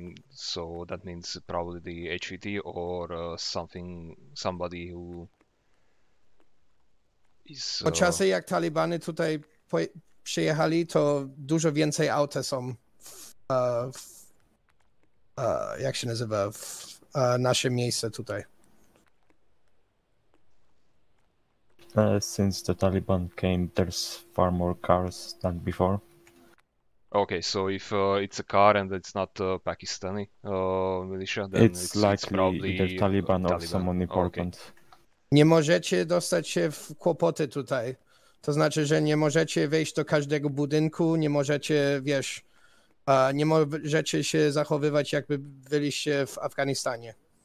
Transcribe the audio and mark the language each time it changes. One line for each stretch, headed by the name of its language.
English: So that means probably the HVT or something, somebody who is...
Polish: Po czasie jak talibany tutaj przyjechali, to dużo więcej auta są jak się nazywa, w nasze miejsce tutaj.
English: Since the Taliban came, there's far more cars than before. Okay, so if it's a car and it's not Pakistani militia, then it's likely probably either Taliban or someone important.
Polish: Nie możecie dostać się w kłopoty tutaj. To znaczy, że nie możecie wejść do każdego budynku, nie możecie, wiesz, nie możecie się zachowywać, jakby byliście w Afganistanie.